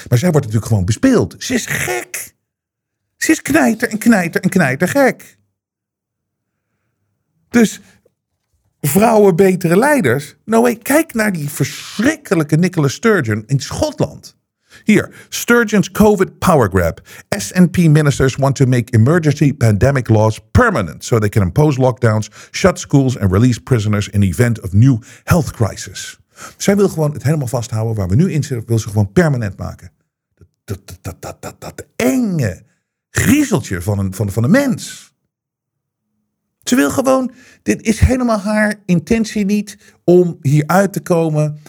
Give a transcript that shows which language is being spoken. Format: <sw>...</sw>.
<nl>Maar zij wordt natuurlijk gewoon bespeeld. Ze is gek. Ze is knijter en knijter en knijter gek. Dus vrouwen betere leiders. Nou, kijk naar die verschrikkelijke Nicola Sturgeon in Schotland.</nl> <en>Hier, Sturgeon's COVID power grab. SNP ministers want to make emergency pandemic laws permanent so they can impose lockdowns, shut schools and release prisoners in the event of new health crisis.</en> <nl>Zij wil gewoon het helemaal vasthouden waar we nu in zitten. Wil ze gewoon permanent maken. Dat enge griezeltje van een mens. Ze wil gewoon, dit is helemaal haar intentie niet om hieruit te komen.</nl>